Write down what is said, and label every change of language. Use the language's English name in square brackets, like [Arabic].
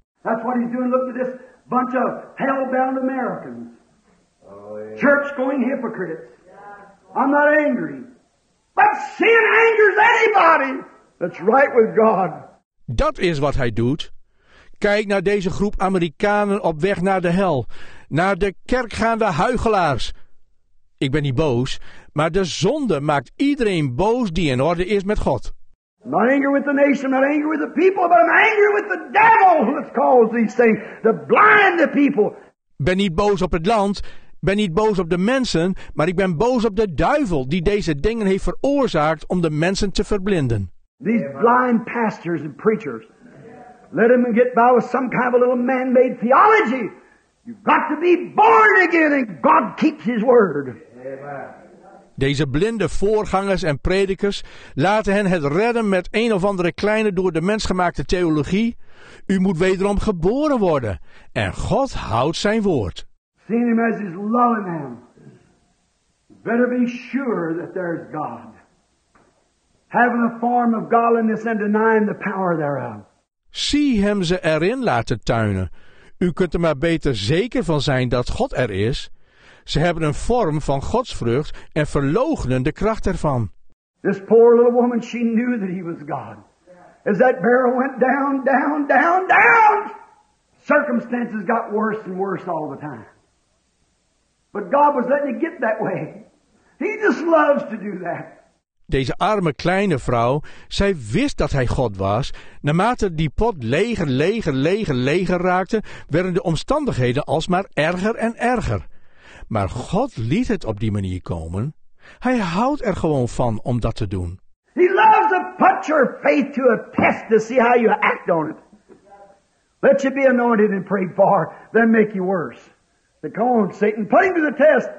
[English] That's what he's doing. Look at this bunch of hell-bound Americans. Oh, yeah. Church-going hypocrites. Yeah. I'm not angry. But sin angers anybody that's right with God. [Dutch] Dat is wat hij doet. Kijk naar deze groep Amerikanen op weg naar de hel. Naar de kerkgaande huichelaars. Ik ben niet boos, maar de zonde maakt iedereen boos die in orde is met God. [English] I'm not angry with the nation, I'm not angry with the people, but I'm angry with the devil who has caused these things. To blind the people. [Dutch] Ben niet boos op het land, ben niet boos op de mensen, maar ik ben boos op de duivel die deze dingen heeft veroorzaakt om de mensen te verblinden. [English] These blind pastors and preachers. Let him get by with some kind of a little man-made theology. You've got to be born again and God keeps his word. Amen. [Dutch] Deze blinde voorgangers en predikers laten hen het redden met een of andere kleine door de mens gemaakte theologie. U moet wederom geboren worden en God houdt zijn woord. [English] Seeing him as his loving him. Better be sure that there is God. Having a form of godliness and denying the power thereof. [Dutch] Zie hem ze erin laten tuinen. U kunt er maar beter zeker van zijn dat God er is. Ze hebben een vorm van godsvrucht en verloochenen de kracht ervan. [English] This poor little woman, she knew that he was God. As that barrel went down, down, down, down. Circumstances got worse and worse all the time. But God was letting it get that way. He just loves to do that. [Dutch] Deze arme kleine vrouw, zij wist dat hij God was. Naarmate die pot leger, leger, leger, leger raakte, werden de omstandigheden alsmaar erger en erger. Maar God liet het op die manier komen. Hij houdt er gewoon van om dat te doen. [English] He loves to put your faith to a test to see how you act on it. Let you be anointed and prayed for, then make you worse. So come on, Satan, put him to the test.